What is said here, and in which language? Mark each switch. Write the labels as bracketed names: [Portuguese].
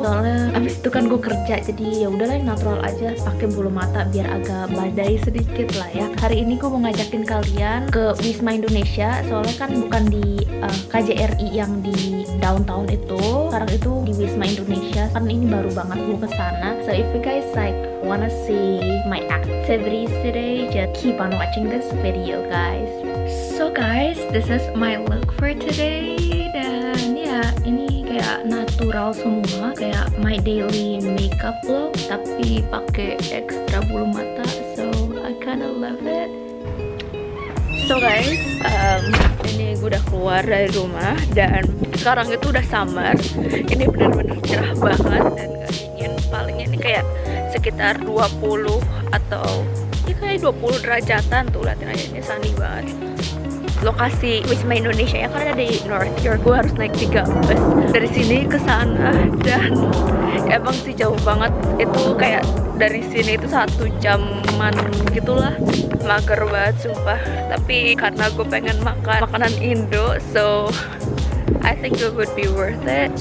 [Indonesian] Soalnya abis itu kan gue kerja, jadi ya udahlah natural aja, pakai bulu mata biar agak badai sedikit lah ya. Hari ini gue mau ngajakin kalian ke WISMA Indonesia, soalnya kan bukan di KJRI yang di downtown itu, sekarang itu di WISMA Indonesia. Kan ini baru banget gue kesana. [English] So if you guys like wanna see my activities today, just keep on watching this video guys. So guys, this is my look for today. [Indonesian] Dan ya, ini kayak natural semua, kayak [English] my daily makeup look [Indonesian] tapi pakai ekstra bulu mata. [English] So I kinda love it. [Indonesian] So guys, ini gue udah keluar dari rumah dan sekarang itu udah summer. Ini benar-benar cerah banget dan gak dingin. Palingnya ini kayak sekitar 20 atau ya kayak 20 derajatan tuh. Liatin aja, ini sunny banget. Lokasi WISMA Indonesia ya, karena di North York gue harus naik 3 bus dari sini ke sana dan emang sih jauh banget. Itu kayak dari sini itu 1 jaman gitulah, mager banget sumpah. Tapi karena gue pengen makan makanan Indo, [English] so I think it would be worth it.